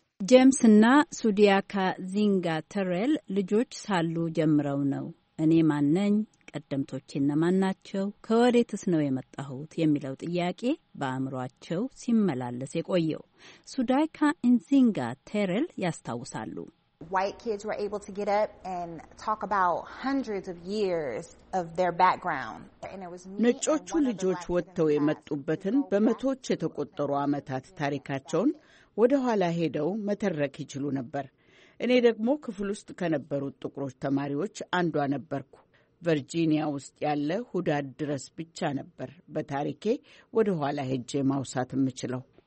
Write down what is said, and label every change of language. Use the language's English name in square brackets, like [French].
[Amharic] ጄምስና ሱዲያካ ዚንጋ ተሬል ልጆች ሳሉ ጀምረው ነው እኔ ማነኝ፣ ቀደምቶቼ እነማን ናቸው፣ ከወዴትስ ነው የመጣሁት የሚለው ጥያቄ በአእምሯቸው ሲመላለስ የቆየው። ሱዳይካ ኢንዚንጋ ቴሬል ያስታውሳሉ። [English] White kids were able to get up and talk about hundreds of years of their background. [Amharic] ነጮቹ ልጆች ወጥተው የመጡበትን በመቶች የተቆጠሩ ዓመታት ታሪካቸውን ወደ ኋላ ሄደው መተረክ ይችሉ ነበር። እኔ ደግሞ ክፍል ውስጥ ከነበሩት ጥቁሮች ተማሪዎች አንዷ ነበርኩ። ቨርጂኒያ ውስጥ ያለ ሁዳድ ድረስ ብቻ ነበር በታሪኬ ወደ ኋላ ሄጄ ማውሳት የምችለው።